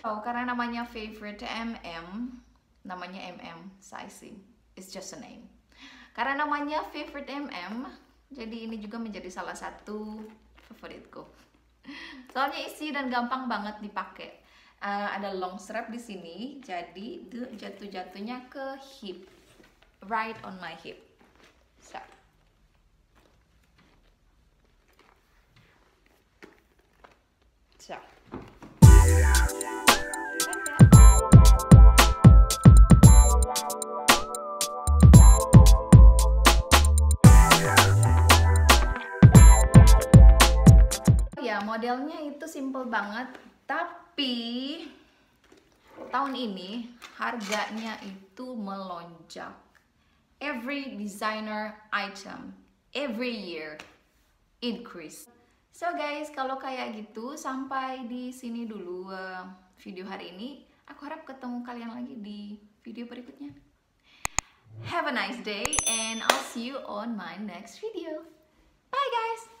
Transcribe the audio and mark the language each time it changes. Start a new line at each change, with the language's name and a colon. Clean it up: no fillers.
Indonesian: Oh, karena namanya favorite MM, namanya MM sizing,
English: it's just a name.
Indonesian: Karena namanya favorite MM, jadi ini juga menjadi salah satu favoritku. Soalnya easy dan gampang banget dipakai. Ada long strap di sini, jadi jatuh-jatuhnya ke hip,
English: right on my hip.
Indonesian: So. Ya, modelnya itu simple banget, tapi tahun ini harganya itu melonjak.
English: Every designer item every year increase.
Indonesian: So guys, kalau kayak gitu sampai di sini dulu video hari ini. Aku harap ketemu kalian lagi di video berikutnya.
English: Have a nice day and I'll see you on my next video. Bye guys.